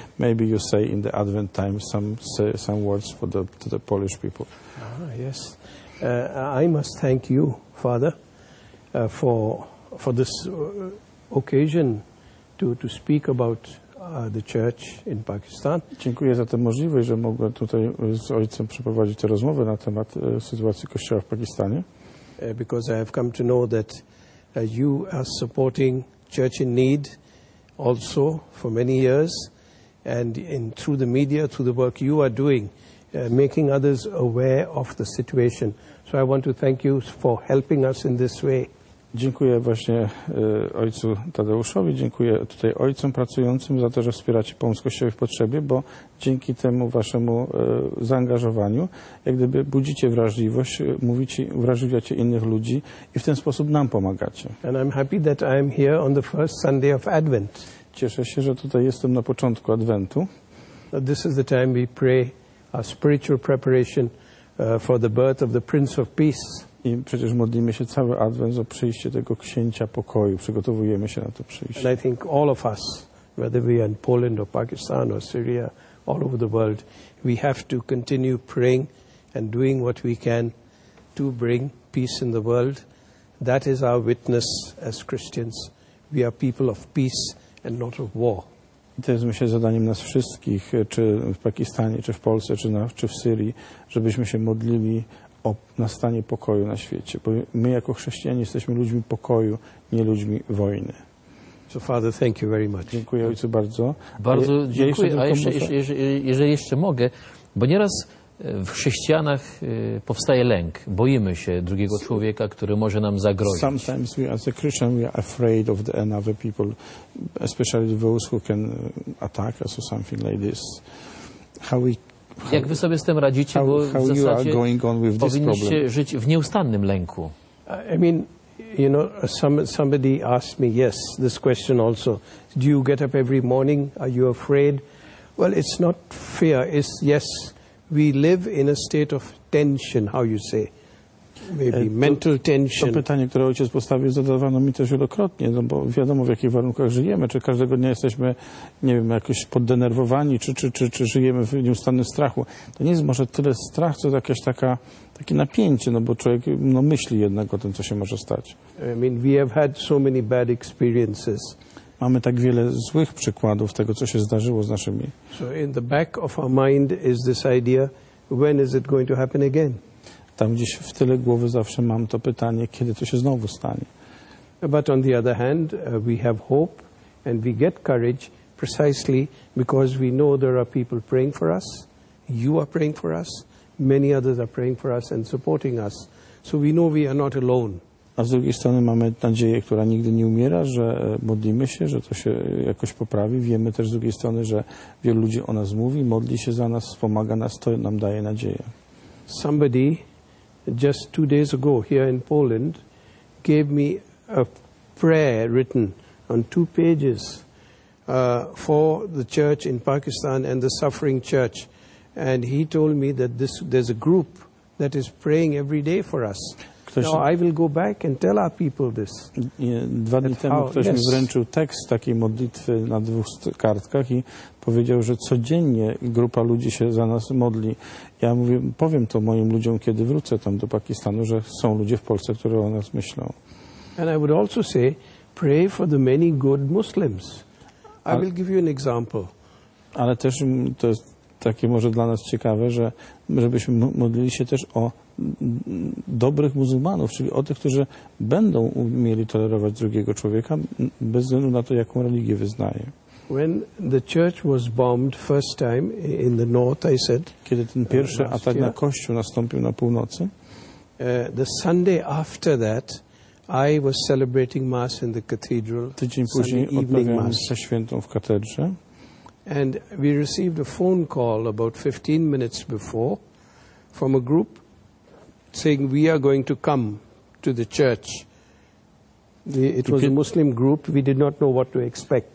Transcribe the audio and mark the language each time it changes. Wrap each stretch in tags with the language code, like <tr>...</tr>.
<en>Maybe you say in the Advent time some words to the Polish people. Yes, I must thank you, Father, for this occasion to speak about the church in Pakistan.</en> <pl>Dziękuję za tę możliwość, że mogłem tutaj z ojcem przeprowadzić tę rozmowę na temat sytuacji kościoła w Pakistanie.</pl> <en>Because I have come to know that you are supporting church in need also for many years, and in through the media, through the work you are doing, making others aware of the situation. So I want to thank you for helping us in this way.</en> <pl>Dziękuję właśnie ojcu Tadeuszowi, dziękuję tutaj ojcom pracującym za to, że wspieracie pomoc Kościołowi w potrzebie, bo dzięki temu waszemu zaangażowaniu jak gdyby budzicie wrażliwość, mówicie, wrażliwiacie innych ludzi i w ten sposób nam pomagacie.</pl> <en>And I'm happy that I am here on the first Sunday of Advent.</en> <pl>Cieszę się, że tutaj jestem na początku Adwentu.</pl> <en>This is the time we pray our spiritual preparation for the birth of the Prince of Peace.</en> <pl>I przecież modlimy się cały Adwent o przyjście tego Księcia Pokoju. Przygotowujemy się na to przyjście.</pl> <en>And I think all of us, whether we are in Poland or Pakistan or Syria, all over the world, we have to continue praying and doing what we can to bring peace in the world. That is our witness as Christians. We are people of peace and not of war.</en> <pl>To jest, myślę, zadaniem nas wszystkich, czy w Pakistanie, czy w Polsce, czy w Syrii, żebyśmy się modlili o nastanie pokoju na świecie. Bo my jako chrześcijanie jesteśmy ludźmi pokoju, nie ludźmi wojny.</pl> <en>So Father, thank you very much.</en> <pl>Dziękuję Ojcu bardzo. Bardzo dziękuję. A jeżeli jeszcze mogę, bo nieraz w chrześcijanach powstaje lęk. Boimy się drugiego człowieka, który może nam zagrozić.</pl> <en>Sometimes we as a Christian we are afraid of the other people, especially those who can attack us or something like this.</en> <pl>Jak wy sobie z tym radzicie,</pl> <en>how</en> <pl>bo w zasadzie powinniście żyć w nieustannym lęku.</pl> <en>I mean, you know, somebody asked me yes this question also. Do you get up every morning? Are you afraid? Well, it's not fear. It's yes. We live in a state of tension, how you say, maybe mental tension.</en> <pl>To pytanie, które ojciec postawił, zadawano mi też wielokrotnie, no bo wiadomo, w jakich warunkach żyjemy, czy każdego dnia jesteśmy, nie wiem, jakoś poddenerwowani, czy żyjemy w nieustannym strachu. To nie jest może tyle strach, co jakieś takie napięcie, no bo człowiek no, myśli jednak o tym, co się może stać.</pl> <en>I mean, we have had so many bad experiences.</en> <pl>Mamy tak wiele złych przykładów tego, co się zdarzyło z naszymi.</pl> <en>So in the back of our mind is this idea, when is it going to happen again?</en> <pl>Tam gdzieś w tyle głowy zawsze mam to pytanie, kiedy to się znowu stanie.</pl> <en>But on the other hand, we have hope and we get courage precisely because we know there are people praying for us. You are praying for us. Many others are praying for us and supporting us. So we know we are not alone.</en> <pl>A z drugiej strony mamy nadzieję, która nigdy nie umiera, że modlimy się, że to się jakoś poprawi. Wiemy też z drugiej strony, że wielu ludzi o nas mówi, modli się za nas, wspomaga nas, to nam daje nadzieję.</pl> <en>Somebody just 2 days ago here in Poland gave me a prayer written on 2 pages for the church in Pakistan and the suffering church. And he told me that there's a group that is praying every day for us. No, I will go back and tell our people this.</en> <pl>Dwa dni temu ktoś mi wręczył tekst takiej modlitwy na 2 kartkach i powiedział, że codziennie grupa ludzi się za nas modli. Ja mówię, powiem to moim ludziom, kiedy wrócę tam do Pakistanu, że są ludzie w Polsce, którzy o nas myślą.</pl> <en>And I would also say, pray for the many good Muslims. I will give you an example.</en> <pl>Ale też to jest takie może dla nas ciekawe, że żebyśmy modlili się też o dobrych muzułmanów, czyli o tych, którzy będą umieli tolerować drugiego człowieka bez względu na to, jaką religię wyznaje.</pl> <en>When the church was bombed first time in the north, I said,</en> <pl>kiedy ten pierwszy atak na kościół nastąpił na północy,</pl> <en>the Sunday after that I was celebrating mass in the cathedral.</en> <pl>Tydzień później odprawiałem mszę świętą w katedrze.</pl> <en>And we received a phone call about 15 minutes before from a group saying we are going to come to the church. It was a Muslim group. We did not know what to expect.</en>